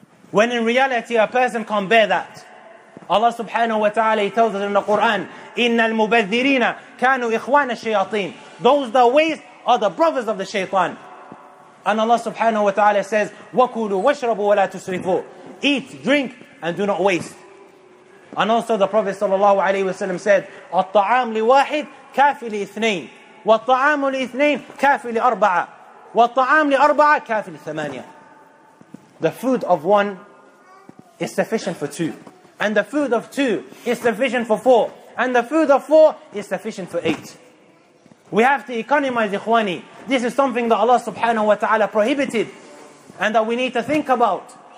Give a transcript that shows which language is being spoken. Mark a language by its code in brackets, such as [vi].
[en] When in reality, a person can't bear that. Allah subhanahu wa ta'ala, He tells us in the Quran, [ar] إِنَّ الْمُبَذِّرِينَ كَانُوا إِخْوَانَ الشَّيَاطِينَ. [en] Those that waste are the brothers of the shaytan. And Allah subhanahu wa ta'ala says, [ar] وَكُلُوا وَشْرَبُوا وَلَا تُسْرِفُوا. [en] Eat, drink, and do not waste. And also the Prophet sallallahu alayhi wasallam said, [ar] الطعام لواحد كافي لإثنين. والطعام لإثنين كافي لأربعة. والطعام لأربعة كافي لثمانية. [en] The food of one is sufficient for two. And the food of two is sufficient for four. And the food of four is sufficient for eight. We have to economize, ikhwani. This is something that Allah subhanahu wa ta'ala prohibited and that we need to think about.